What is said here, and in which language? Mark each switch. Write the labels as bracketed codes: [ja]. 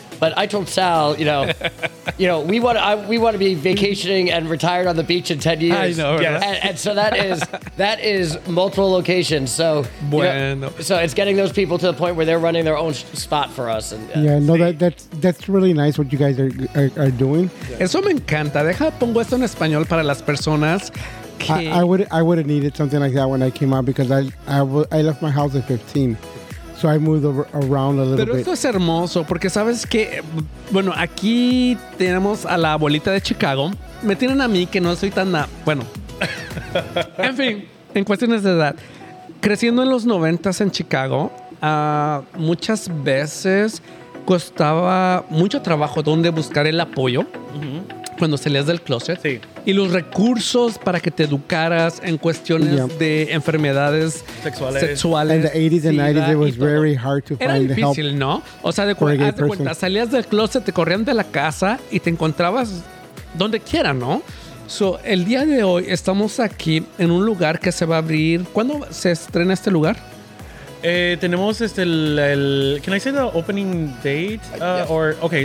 [en] But I told Sal, you know, we want to be vacationing and retired on the beach in 10 years. I know. Yes. Right? And so that is multiple locations. So, [es] bueno. [en] You know, so it's getting those people to the point where they're running their own spot for us. And That's really nice what you guys are doing. [es] Yeah. Eso me encanta. Deja pongo esto en español para las personas. [en] I would have needed something like that when I came out because I left my house at 15. So I moved over around a little bit. [es] Pero esto es hermoso porque sabes que, bueno, aquí tenemos a la abuelita de Chicago. Me tienen a mí que no soy tan, bueno. En fin, en cuestiones de edad. Creciendo en los 90s en Chicago, muchas veces costaba mucho trabajo donde buscar el apoyo. Uh-huh. Cuando salías del closet. Sí. Y los recursos para que te educaras en cuestiones yeah. de enfermedades sexuales. [en] En the 80s and 90s, it was very hard to [es] era [en] find [es] difícil, [en] help. [es] Difícil, ¿no? O sea, de cuenta, salías del closet, te corrían de la casa y te encontrabas donde quiera, ¿no? So, el día de hoy estamos aquí en un lugar que se va a abrir. ¿Cuándo se estrena este lugar? Tenemos el [en] can I say the opening date yes. or okay